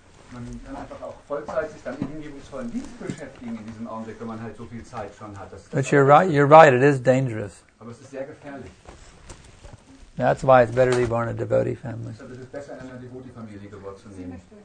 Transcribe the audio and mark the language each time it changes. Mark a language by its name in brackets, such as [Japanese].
[German] Man kann einfach auch Vollzeit sich dann in hingebungsvollen Dienst beschäftigen in diesem Augenblick, wenn man halt so viel Zeit schon hat. [English] But you're right. You're right. It is dangerous. [German] Aber es ist sehr gefährlich. [English] That's why it's better to be born in a devotee family. [German] Deshalb ist es besser, in einer Devotee-Familie geboren zu werden.